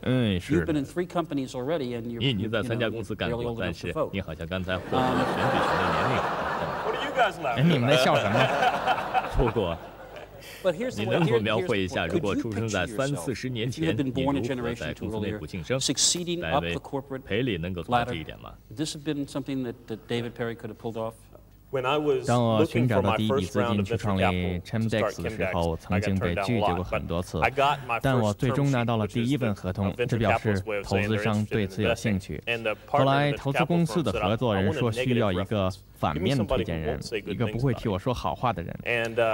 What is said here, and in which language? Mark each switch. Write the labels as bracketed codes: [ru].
[en] You've been in three companies already, and you're. [zh] 您已经在三家公司干过，但是你好像刚才获得了选举权的年龄。 [en] What are you guys laughing? [zh] 你们在笑什么？不过。你能否描绘一下，如果出生在30-40年前，你如何在公司内部晋升？大卫·佩里能够做到这一点吗 [en] ？Would this have been something that David Perry could have pulled off? [zh] 当我寻找到第一笔资金去创立 Chemdex 的时候，曾经被拒绝过很多次，但我最终拿到了第一份合同，这表示投资商对此有兴趣。后来投资公司的合作人说需要一个反面的推荐人，一个不会替我说好话的人。